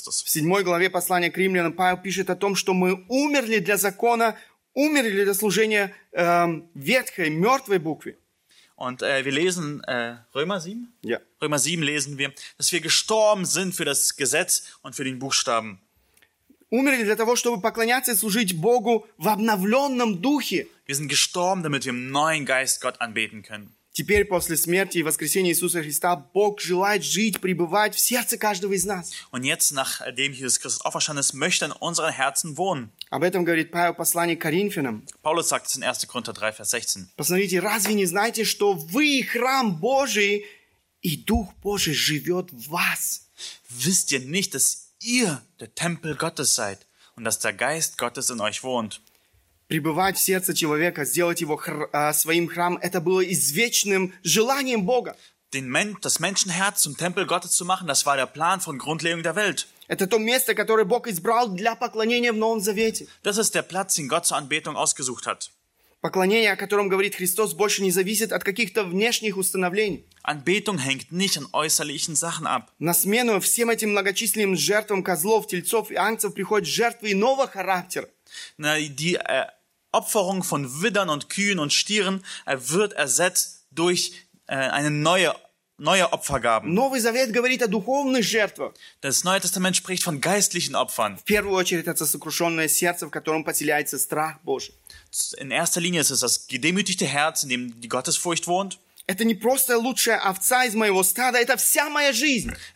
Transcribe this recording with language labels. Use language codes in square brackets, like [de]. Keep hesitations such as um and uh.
[ru] седьмой главе послания к римлянам Павел пишет о том, что мы умерли для закона, умерли для служения э, äh, ветхой, мертвой букве. [de] Und äh, wir lesen äh, Römer 7. Ja. Yeah. Römer 7 lesen wir, dass wir gestorben sind für das Gesetz und für den Buchstaben. [ru] Умерли того, чтобы поклоняться служить Богу в обновленном духе. [de] wir sind gestorben, damit wir im neuen Geist Gott anbeten können. [ru] Теперь после смерти и воскресения Иисуса Христа Бог желает жить, пребывать в сердце каждого из нас. [de] Und jetzt, nachdem Jesus Christus auferstanden ist, möchte er in unseren Herzen wohnen. [ru] Об этом говорит Павел послание к Коринфянам. [de] Paulus sagt es in 1. Korinther 3, Vers 16. [ru] Посмотрите, разве не знаете, что вы храм Божий, и Дух Божий живет в вас? [de] Wisst ihr nicht, dass ihr der Tempel Gottes seid und dass der Geist Gottes in euch wohnt? [ru] пребывать в сердце человека, сделать его хр uh, своим храмом, это было извечным желанием Бога. [de] Den Men das Menschenherz zum Tempel Gottes zu machen, das war der Plan von Grundlegung der Welt. [ru] Это то место, которое Бог избрал для поклонения в Новом Завете. [de] Das ist der Platz, den Gott zur Anbetung ausgesucht hat. [ru] Поклонение, о котором говорит Христос, больше не зависит от каких-то внешних установлений. [de] Anbetung hängt nicht an äußerlichen Sachen ab. [ru] На смену всем этим многочисленным жертвам козлов, тельцов и ангцев приходят жертвы иного характера. [de] Die, äh, Opferung von Widdern und Kühen und Stieren er wird ersetzt durch äh, eine neue neue Opfergaben. [ru] Новый Завет говорит о духовных [de] Das Neue Testament spricht von geistlichen Opfern. [ru] В первую очередь это сокрушенное сердце, в котором поселяется страх Божий. [de] In erster Linie ist es das gedemütigte Herz, in dem die Gottesfurcht wohnt. [ru] Это не просто лучшая овца из моего стада, это вся моя жизнь.